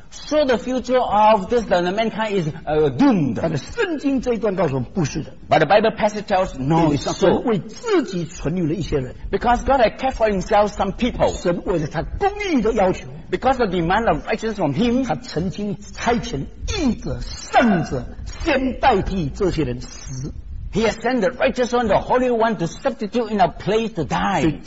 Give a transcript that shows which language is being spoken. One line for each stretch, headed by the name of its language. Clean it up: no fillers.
English: So the future of this the mankind is doomed.
Chinese: 但是圣经这一段告诉我们不是的。
English: But the Bible passage tells no, it's not so.
Chinese: 神为自己存留了一些人。
English: Because God had kept for himself some people.
Chinese: 神为了他公义的要求。
English: Because of the demand of righteousness from him,
Chinese: 他曾经差遣义者、圣者先代替这些人死。
English: He has sent the righteous one, the holy one, to substitute in a place to die.